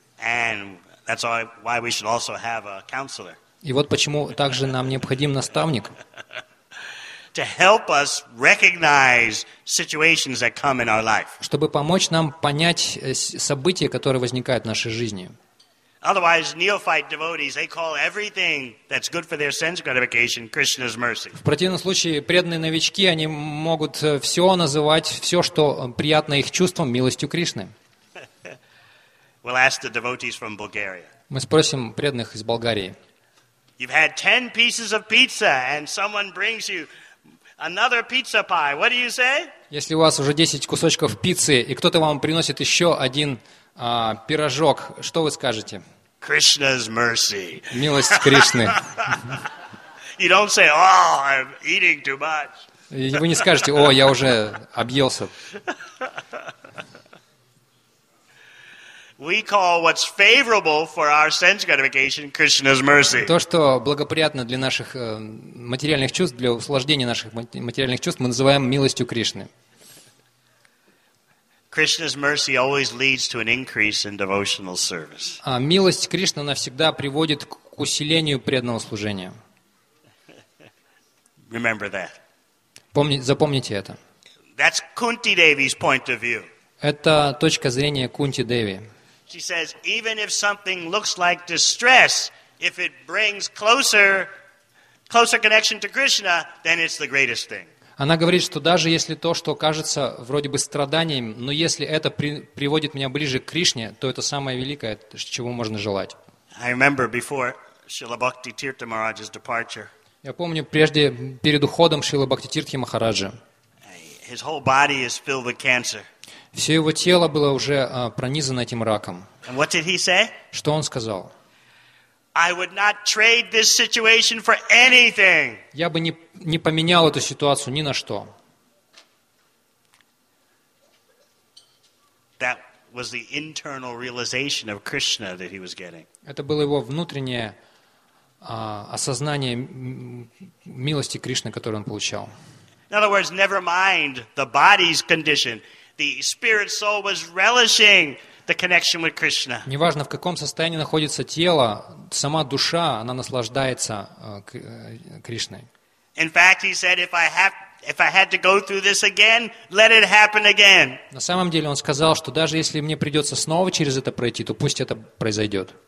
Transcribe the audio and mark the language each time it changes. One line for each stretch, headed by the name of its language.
English: And that's why we should also have a counselor.
Russian: И вот почему также нам необходим наставник.
English: To help us recognize situations that come in our life.
Russian: Чтобы помочь нам понять события, которые возникают в нашей жизни.
English: Otherwise, neophyte devotees, they call everything that's good for their sense gratification Krishna's mercy.
Russian: В противном случае, преданные новички, они могут все называть, все, что приятно их чувствам, милостью Кришны.
English: We'll ask the devotees from Bulgaria.
Russian: Мы спросим преданных из Болгарии.
English: You've had 10 pieces of pizza, and someone brings you another pizza pie. What do you say?
Russian: Если у вас уже 10 кусочков пиццы, и кто-то вам приносит еще один пирожок, что вы скажете?
English: Krishna's mercy.
Russian: Милость Кришны.
English: You don't say, "Oh, I'm eating too much."
Russian: Вы не скажете: "О, я уже объелся."
English: We call what's favorable for our sense gratification Krishna's mercy.
Russian: То, что благоприятно для наших материальных чувств, для услаждения наших материальных чувств, мы называем милостью Кришны.
English: Krishna's mercy always leads to an increase in devotional service.
Russian: А милость Кришны навсегда приводит к усилению преданного служения.
English: Remember that.
Russian: Запомните это.
English: That's Kunti Devi's point of view.
Russian: Это точка зрения Кунти Деви.
English: She says, even if something looks like distress, if it brings closer connection to Krishna, then it's the greatest thing.
Russian: Она говорит, что даже если то, что кажется вроде бы страданием, но если это приводит меня ближе к Кришне, то это самое великое, чего можно желать.
English: I remember before Srila Bhakti Tirtha Maharaj's departure.
Russian: Я помню, прежде, перед уходом Шрилы Бхактитиртхи Махараджа,
English: his whole body is filled with cancer.
Russian: Все его тело было уже пронизано этим раком.
English: And what did he say?
Russian: Что он сказал?
English: I would not trade this situation for anything.
Russian: Я бы не поменял эту ситуацию ни на что.
English: That was the internal realization of Krishna that he was getting.
Russian: Это было его внутреннее осознание милости Кришны, которую он получал.
English: In other words, never mind the body's condition. The spirit soul was relishing the connection with Krishna.
Russian: Неважно, в каком состоянии находится тело, сама душа, она наслаждается Кришной.
English: In fact, he said, if I had to go through this again, let it happen again.
Russian: На самом деле он сказал, что даже если мне придется снова через это пройти, то пусть это произойдет.